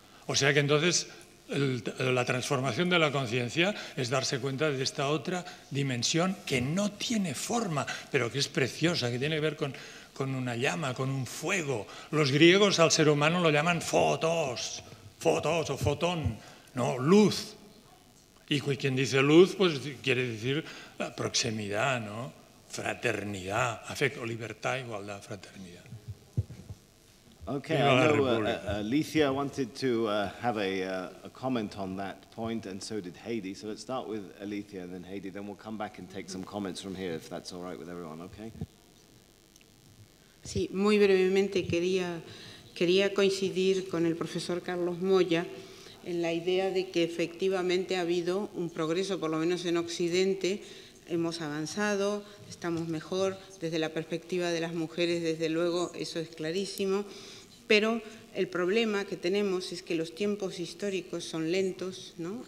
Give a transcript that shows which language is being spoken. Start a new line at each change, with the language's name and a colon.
Spanish: O sea que entonces la transformación de la conciencia es darse cuenta de esta otra dimensión que no tiene forma, pero que es preciosa, que tiene que ver con una llama, con un fuego. Los griegos al ser humano lo llaman fotos o fotón, no, luz. Y quien dice luz, pues quiere decir proximidad, ¿no? Fraternidad, afecto, libertad, igualdad, fraternidad.
English: Okay, I know Alicia wanted to have a comment on that point, and so did Heidi. So let's start with Alicia and then Heidi, then we'll come back and take some comments from here, if that's all right with everyone, okay?
Spanish: Sí, muy brevemente quería coincidir con el profesor Carlos Moya en la idea de que efectivamente ha habido un progreso, por lo menos en Occidente. Hemos avanzado, estamos mejor, desde la perspectiva de las mujeres, desde luego, eso es clarísimo, pero el problema que tenemos es que los tiempos históricos son lentos, ¿no?